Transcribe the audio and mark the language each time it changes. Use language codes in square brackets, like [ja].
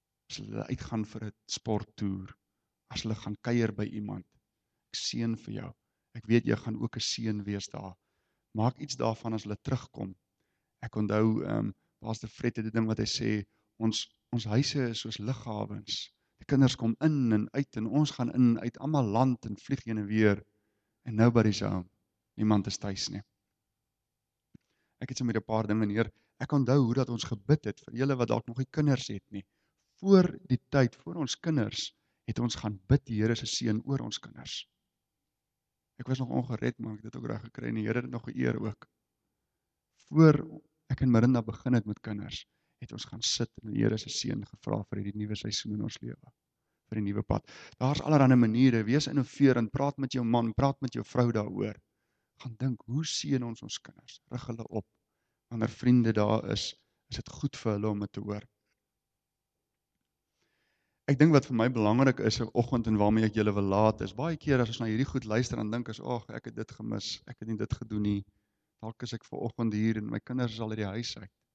[af] As hulle uitgaan vir 'n sporttoer, as hulle gaan kuier by iemand, ek seën vir jou. Ek weet jy gaan ook 'n seën wees daar. Maak iets daarvan as hulle terugkom. Ek onthou Pastor Fred het 'n ding wat hy sê, ons huise is soos lughawens. Die kinders kom in en uit en ons gaan in en uit, almal land en vlieg heen en weer. [en] And nobody's home. [af] Niemand is tuis nie. Ek het sommer 'n paar dinge neer. Ek onthou hoe dat ons gebid het vir julle wat dalk nog nie kinders het nie. Voor die tyd, voor ons kinders, het ons gaan bid die Here se seën oor ons kinders. Ek was nog ongered, maar ek het dit ook reg gekry en die Here het nog geëer ook. Voor ek en Marinda begin het met kinders, het ons gaan sit en die Here se seën gevra vir hierdie nuwe seisoen in ons lewe, vir die nuwe pad. Daar's allerlei maniere, wees innoveerend, praat met jou man, praat met jou vrou daaroor. Gaan dink, hoe seën ons kinders? Rig hulle op. Wanneer vriende daar is, is dit goed vir hulle om dit te hoor. Ek dink wat vir my belangrik is 'n oggend en waarmee ek julle wil laat is baie keer as ons na hierdie goed luister en dink as ag ek het dit gemis, ek het nie dit gedoen nie. Dalk is ek ver oggend hier en my kinders is al uit die huis uit.